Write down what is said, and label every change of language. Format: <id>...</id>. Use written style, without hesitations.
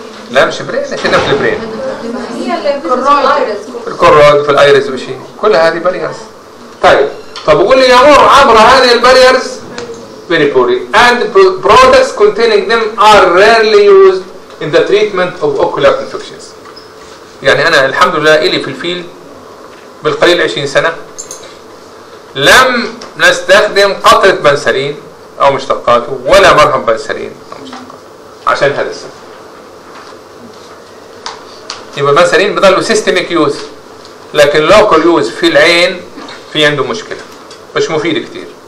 <ar>لا مش برين، إحنا في البرين. هي الكورويد. الكورويد في الأيريس وشي. كل هذه باريرز. طيب.</ar> <en>طب بقول لي يمر عبر هذه الباريرز very poorly and products containing them are rarely used in the treatment of ocular infections.</en> <ar>يعني أنا الحمد لله إلي في الفيل بالقليل 20 سنة لم نستخدم قطرة بنسلين أو مشتقاته ولا مرهم بنسلين أو مشتقاته عشان هذا السبب. يبقى بنسلين بضلوا systemic use، لكن local use في العين في عنده مشكلة مش مفيد كتير.</ar>